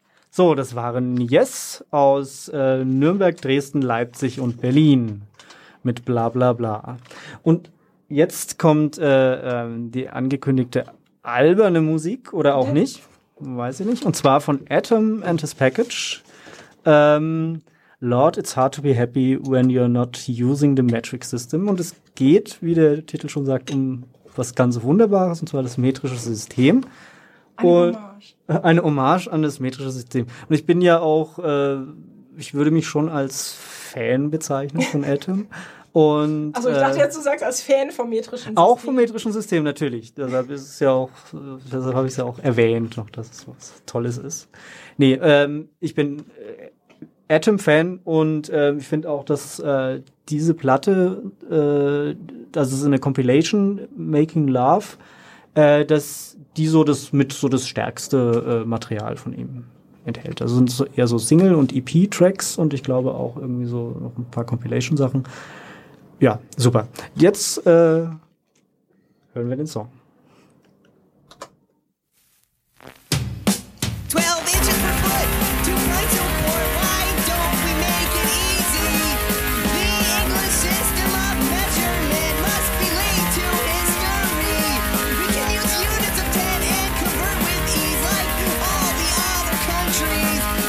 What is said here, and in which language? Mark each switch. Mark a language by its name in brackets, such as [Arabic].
[German] So, das waren Yes aus Nürnberg, Dresden, Leipzig und Berlin mit Bla Bla Bla. Und jetzt kommt die angekündigte alberne Musik oder auch nicht, weiß ich nicht. Und zwar von Atom and His Package. [English] Lord, it's hard to be happy when you're not using the metric system. [German] Und es geht, wie der Titel schon sagt, um was ganz Wunderbares, und zwar das metrische System. Eine Hommage an das metrische System. Und ich bin ja auch, ich würde mich schon als Fan bezeichnen von Atom. Und, also ich dachte jetzt, du sagst als Fan vom metrischen System. Auch vom metrischen System, natürlich. Deshalb ist es ja auch, deshalb habe ich es ja auch erwähnt noch, dass es was Tolles ist. Nee, ich bin Atom-Fan und ich finde auch, dass diese Platte, das ist eine Compilation, Making Love, dass die so das mit so das stärkste Material von ihm enthält. Also sind so eher so Single- und EP-Tracks und ich glaube auch irgendwie so noch ein paar Compilation-Sachen. Ja, super. Jetzt hören wir den Song. [English] 12 inches per foot, 2 points or 4, why don't we make it easy? The English system of measurement must be linked to history. We can use units of 10 and convert with ease like all the other countries.